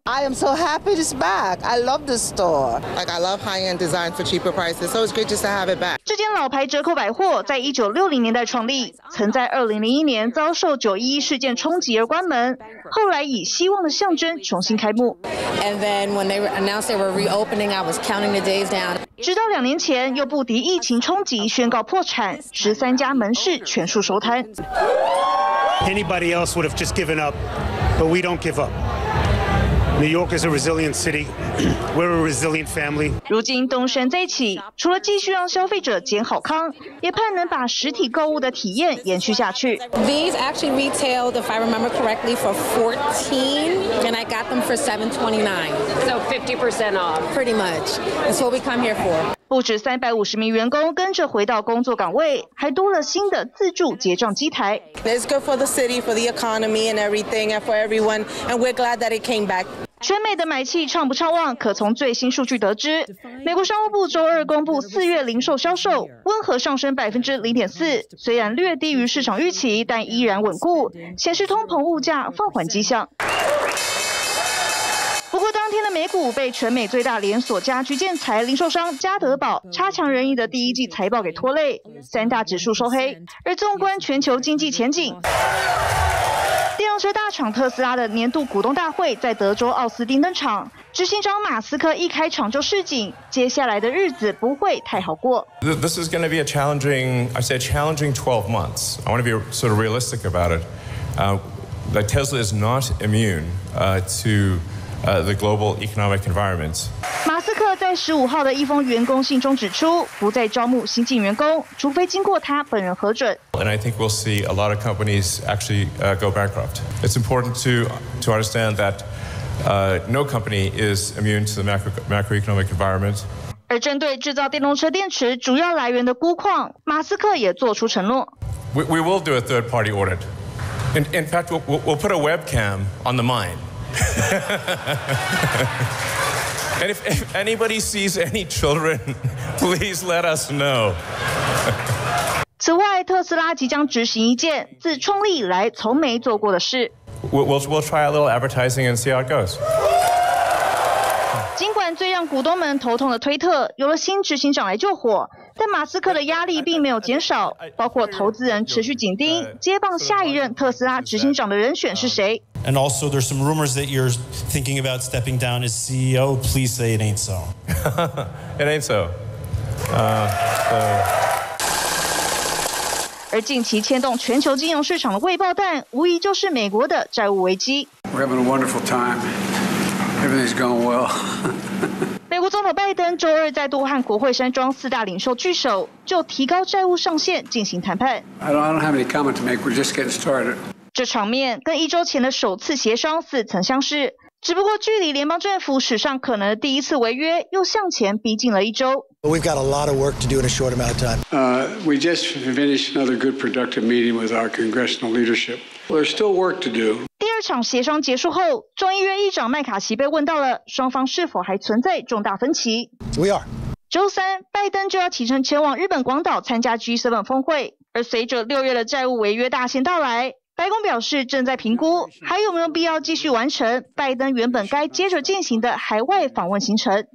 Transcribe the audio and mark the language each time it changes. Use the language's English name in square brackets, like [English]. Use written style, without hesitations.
[English] I am so happy it's back. I love this store. Like I love high-end design for cheaper prices, so it's great just to have it back. [Chinese] 这间老牌折扣百货在1960年代创立，曾在2001年遭受9/11事件冲击而关门，后来以希望的象征重新开幕。 [English] And then when they announced they were reopening, I was counting the days down. [Chinese] 直到2年前又不敌疫情冲击宣告破产，13家门市全数收摊。 [English] Anybody else would have just given up, but we don't give up. New York is a resilient city. We're a resilient family. [Chinese] 如今东山再起，除了继续让消费者捡好康，也盼能把实体购物的体验延续下去。 [English] These actually retailed, if I remember correctly, for $14, and I got them for $7.29. So 50% off. Pretty much. That's what we come here for. [Chinese] 不止350名员工跟着回到工作岗位，还多了新的自助结账机台。 [English] It's good for the city, for the economy, and everything, and for everyone. And we're glad that it came back. [Chinese] 全美的买气畅不畅旺，可从最新数据得知，美国商务部周二公布四月零售销售温和上升0.4%，虽然略低于市场预期，但依然稳固，显示通膨物价放缓迹象。不过当天的美股被全美最大连锁家居建材零售商家得宝差强人意的第一季财报给拖累，三大指数收黑。而纵观全球经济前景，电动车大厂特斯拉的年度股东大会在德州奥斯汀登场，执行长马斯克一开场就示警，接下来的日子不会太好过。 [English] This is going to be a challenging, I say, a challenging 12 months. I want to be sort of realistic about it. That Tesla is not immune to the global economic environment. [Chinese] 马斯克在15号的一封员工信中指出，不再招募新进员工，除非经过他本人核准。 [English] And I think we'll see a lot of companies actually go bankrupt. It's important to understand that no company is immune to the macroeconomic environment. [Chinese] 而针对制造电动车电池主要来源的钴矿，马斯克也做出承诺。 [English] We will do a third party audit. In fact, we'll put a webcam on the mine. And if anybody sees any children, please let us know. [Chinese] 此外，特斯拉即将执行一件自创立以来从没做过的事。 [English] We'll try a little advertising and see how it goes. [Chinese] 尽管最让股东们头痛的推特有了新执行长来救火。但马斯克的压力并没有减少，包括投资人持续紧盯接棒下一任特斯拉执行长的人选是谁。 [English] And also, there's some rumors that you're thinking about stepping down as CEO. Please say it ain't so. It ain't so. [Chinese] 而近期牵动全球金融市场的未爆弹，无疑就是美国的债务危机。 [English] We're having a wonderful time. Everything's going well. [Chinese] 美国总统拜登周二再度和国会山庄四大领袖聚首，就提高债务上限进行谈判。 [English] I don't have any comment to make. We're just getting started. [Chinese] 这场面跟一周前的首次协商似曾相识，只不过距离联邦政府史上可能的第一次违约又向前逼近了一周。 [English] We've got a lot of work to do in a short amount of time. We just finished another good productive meeting with our congressional leadership. There's still work to do. [Chinese] 第二场协商结束后，众议院议长麦卡锡被问到了双方是否还存在重大分歧。 [English] We are. [Chinese] 周三，拜登就要启程前往日本广岛参加 G7 峰会，而随着六月的债务违约大限到来，白宫表示正在评估还有没有必要继续完成拜登原本该接着进行的海外访问行程。